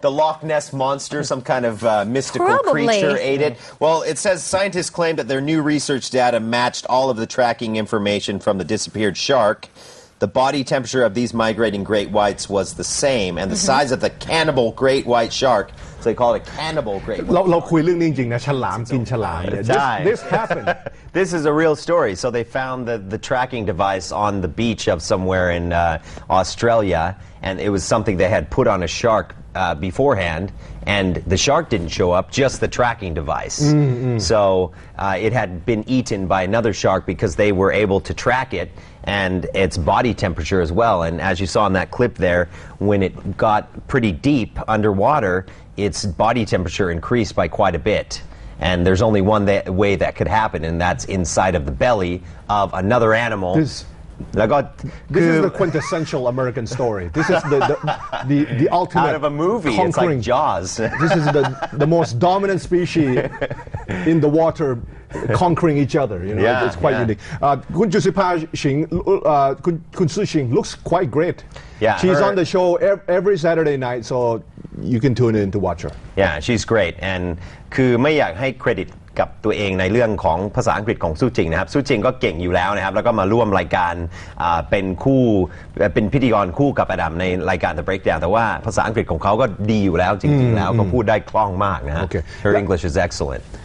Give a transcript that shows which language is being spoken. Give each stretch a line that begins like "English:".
English: the Loch Ness monster some kind of mystical creature ate it well it says scientists claim that their new research data matched all of the tracking information from the disappeared shark the body temperature of these migrating great whites was the same, and the size of the cannibal great white shark. So they call it a cannibal great white shark.
Thai: เราคุยเรื่องนี้จริงๆนะฉลามกินฉลามเนี่ย
English: This happened. This is a real story. So they found the tracking device on the beach of somewhere in Australia, and it was something they had put on a shark beforehand, and the shark didn't show up, just the tracking device. Mm-hmm. So it had been eaten by another shark because they were able to track it and its body temperature as well. And as you saw in that clip there, when it got pretty deep underwater, its body temperature increased by quite a bit. And there's only one way that could happen, and that's inside of the belly of another animal. This is the quintessential American story. This is the ultimate out of a movie. Conquering. It's like Jaws. This is the most dominant species in the water conquering each other. You know, yeah, it's quite yeah. unique. Kun Su Xing looks quite great. Yeah, she's on the show every Saturday night, so you can tune in to watch her. Yeah, she's great, and
Thai: คือไม่อยากให้เครดิตกับตัวเองในเรื่องของภาษาอังกฤษของซู่จิงนะครับซู่จิงก็เก่งอยู่แล้วนะครับแล้วก็มาร่วมรายการเป็นคู่เป็นพิธีกรคู่กับอดัมในรายการ The Breakdown แต่ว่าภาษาอังกฤษของเขาก็ดีอยู่แล้วจริงๆแล้วก็พูดได้คล่องมากนะ
English: Her English is excellent